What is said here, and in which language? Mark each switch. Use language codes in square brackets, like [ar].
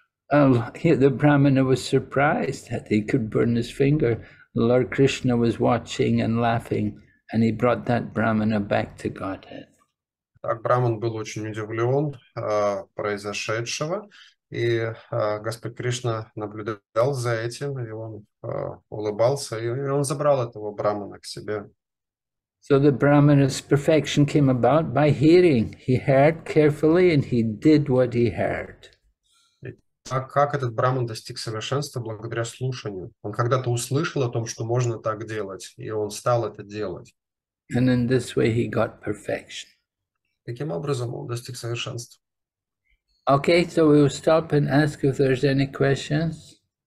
[en] The Brahmana was surprised that he could burn his finger. Lord Krishna was watching and laughing, and he brought that Brahmana back to Godhead. [ru] Так Брахман был очень удивлен произошедшего, и Господь Кришна наблюдал за этим, и он улыбался, и он забрал этого Брахмана к себе. [en] So the Brahmana's perfection came about by hearing. He heard carefully, and he did what he heard. [ru] А как этот Брахман достиг совершенства благодаря слушанию? Он когда-то услышал о том, что можно так делать, и он стал это делать. [en] And in this way he got perfection. [ru] Таким образом он достиг совершенства. [en] Okay, so we will stop and ask if there's any questions.